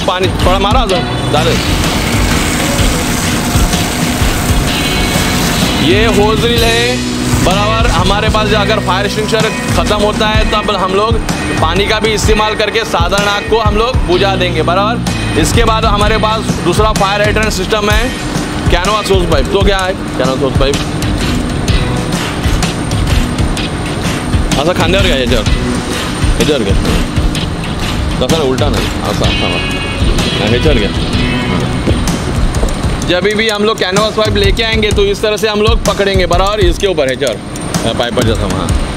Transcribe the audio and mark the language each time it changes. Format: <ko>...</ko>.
<hi>पानी थोड़ा मारा जो दादे, ये होजरील है बराबर. हमारे पास जो अगर फायर एक्सटिंग्विशर खत्म होता है तब हम लोग पानी का भी इस्तेमाल करके साधारण आग को हम लोग बुझा देंगे बराबर. इसके बाद हमारे पास दूसरा फायर हाइड्रेंट सिस्टम है, कैनवास होस पाइप. तो क्या है कैनवास होस पाइप,</hi> <mr>असा खांद्यावर घ्या, याच्यावर याच्यावर घ्या, तसा ना उलटा ना असा असा</mr> <hi>मैनेजर क्या? जब भी हम लोग कैनवास पाइप लेके आएंगे तो इस तरह से हम लोग पकड़ेंगे बराबर इसके ऊपर है चर पाइपर जैसा वहाँ।</hi>